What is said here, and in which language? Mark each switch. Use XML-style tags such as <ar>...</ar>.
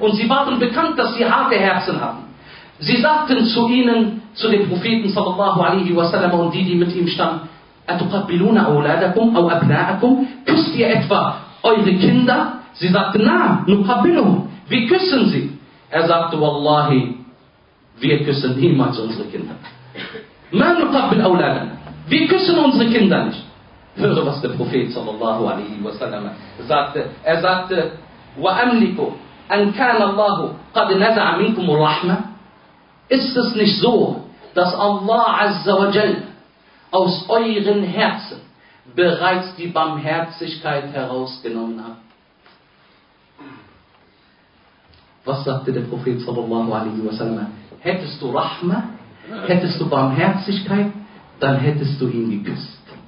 <de>Und sie waren bekannt, dass sie harte Herzen haben. Sie sagten zu ihnen, zu dem Propheten sallallahu alaihi wasallam und die mit ihm standen,</de> <ar>أَتُقَبِّلُونَ أَوْلَادَكُمْ أَوْ أَبْنَاءَكُمْ,</ar> <de>küsst ihr etwa eure Kinder? Sie sagten, na,</de> <ar>نُقَبِّلُهُمْ,</ar> <de>wir küssen sie. Er sagte, wallahi, wir küssen niemals unsere Kinder.</de> <ar>مَا نُقَبِّلْ أَوْلَادَنَا,</ar> <de>wir küssen unsere Kinder nicht. Höre, was der Prophet sallallahu alaihi wasallam sagte. Er sagte,</de> <ar>وَأَمْلِكُ أَنْ كَانَ اللَّهُ قَدْ نَزَعَ مِنْكُمُ الرَّحْمَةِ.</ar> <de>Ist es nicht so, dass Allah Azza wa Jal aus euren Herzen bereits die Barmherzigkeit herausgenommen hat? Was sagte der Prophet sallallahu alaihi wasallam? Hättest du Rahma, hättest du Barmherzigkeit, dann hättest du ihn geküsst.</de>